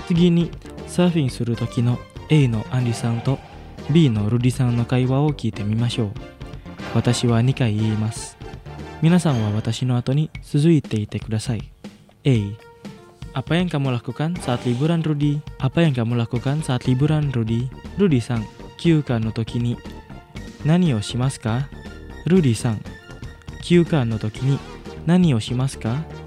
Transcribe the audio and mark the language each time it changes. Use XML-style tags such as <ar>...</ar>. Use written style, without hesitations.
<ja>にサーフィンする時の A のアンリさんと B のルディさんの会話を聞いてみましょう。私は2回言います。皆さんは私の後に続いていてください。</ja> <id>A、 apa yang kamu lakukan saat liburan Rudy? apa yang kamu lakukan saat liburan Rudy?</id> <ja>Rudy さん、休暇の時に何をしますか？ Rudy さん、休暇の時に何をしますか？</ja>